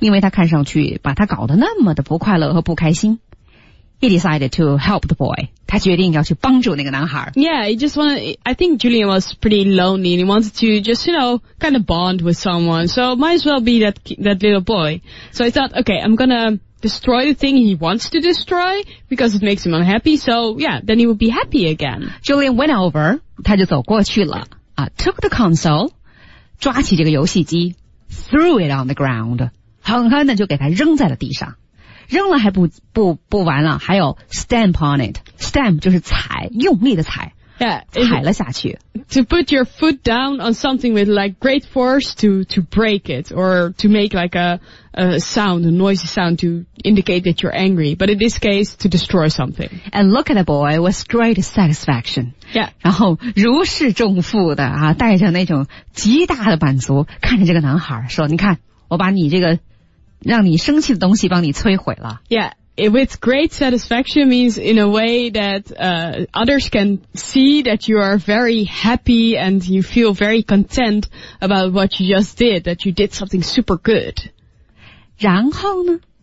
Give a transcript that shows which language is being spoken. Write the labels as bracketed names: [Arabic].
[Chinese] 因为他看上去把他搞得那么的不快乐和不开心。 [English] He decided to help the boy. [Chinese] 他决定要去帮助那个男孩。 [English] Yeah, he just wanted, I think Julian was pretty lonely and he wanted to just, you know, kind of bond with someone. So might as well be that little boy. So he thought, okay, I'm gonna destroy the thing he wants to destroy because it makes him unhappy. So yeah, then he would be happy again. Julian went over, [Chinese] 他就走过去了。 [English] Took the console, [Chinese] 抓起这个游戏机, [English] threw it on the ground, [Chinese] 狠狠地就给他扔在了地上。扔了还不完了，还有 [English] stamp on it. [Chinese] Stamp 就是踩，用力的踩， [English] yeah, [Chinese] 踩了下去。 [English] To put your foot down on something with like great force to break it or to make like a sound, a noisy sound to indicate that you're angry. But in this case, to destroy something. And look at the boy with great satisfaction. Yeah. [Chinese] 然后如释重负的啊，带着那种极大的满足，看着这个男孩说：“你看，我把你这个。” 让你生气的东西帮你摧毁了。 [English] Yeah, it with great satisfaction means in a way that others can see that you are very happy and you feel very content about what you just did, that you did something super good. [Chinese] 然后呢?